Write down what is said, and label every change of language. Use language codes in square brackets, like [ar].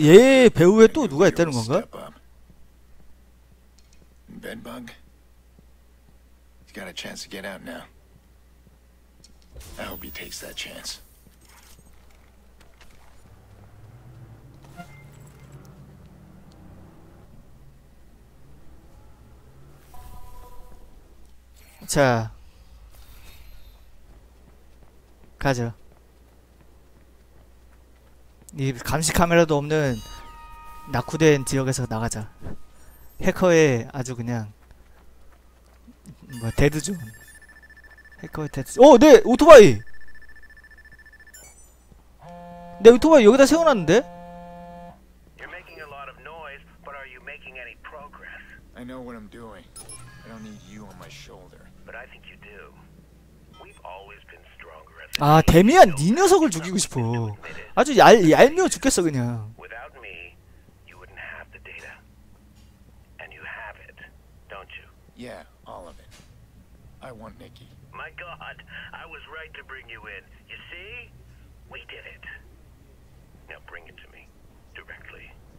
[ko] 얘 배우에 또 누가 있다는 건가? [en] Bedbug. He's got a chance to get out now. I hope he takes that chance. [ko] 자 가자. 이 감시 카메라도 없는 낙후된 지역에서 나가자. 해커의 아주 그냥 뭐 데드존. 해커의 데드존. 어, 내 오토바이. 내 오토바이 여기다 세워놨는데. [en] You're making a lot of noise, but are you making any progress? I know what I'm doing. I don't need you on my shoulder, but I think you do. We've always been stronger. [ko] 아, 데미안 네 녀석을 죽이고 싶어. 아주 얄미워 죽겠어 그냥. [en] Without me, you wouldn't have the data. And you have it, don't you? Yeah, all of it. I want Nikki. My god, I was right to bring you in. You see? We did it. Now bring it to me directly.